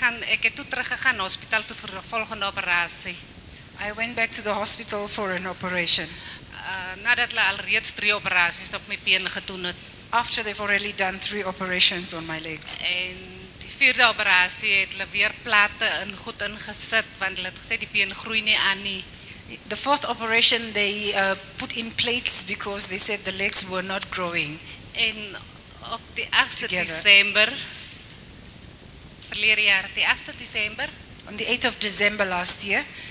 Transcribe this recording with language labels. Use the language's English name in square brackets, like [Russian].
[Afrikaans] ek het toe teruggegaan na hospitaal toe vir 'n volgende operasie. [English] I went back to the hospital for an operation. [Afrikaans] Nadat hulle alreeds 3 operasies op my been gedoen het. [English] After they've already done 3 operations on my legs. [Afrikaans] En die 4de operasie het hulle weer platte in goed ingesit want hulle het gesê die been groei nie aan nie. [English] The 4th operation they put in plates because they said the legs were not growing. [Afrikaans] En op die 8de Desember verlede jaar, die 8de Desember, [English] on the 8th of December last year,